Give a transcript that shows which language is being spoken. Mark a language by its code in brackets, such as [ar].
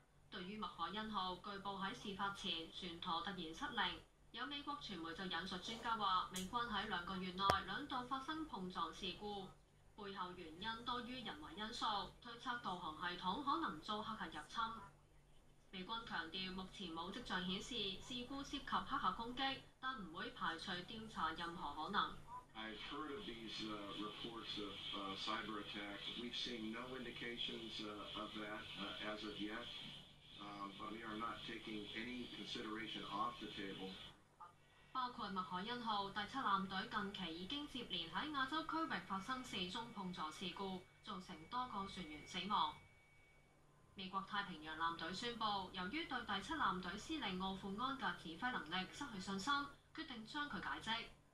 [zh] 对于麦海恩号，据报在事发前船舵突然失灵，有美国传媒就引述专家说，美军在2个月内两度发生碰撞事故，背后原因多于人为因素，推测导航系统可能遭黑客入侵。美军强调目前没有迹象显示事故涉及黑客攻击，但不会排除调查任何可能。 [en] I've heard of these reports of cyber attacks. We've seen no indications of that as of yet. But we are not taking any consideration off the table. [zh] 包括麦海恩号第七舰队近期已经接连在亚洲区域发生4宗碰撞事故，造成多个船员死亡。美国太平洋舰队宣布，由于对第七舰队司令奥富安的指挥能力失去信心，决定将他解职。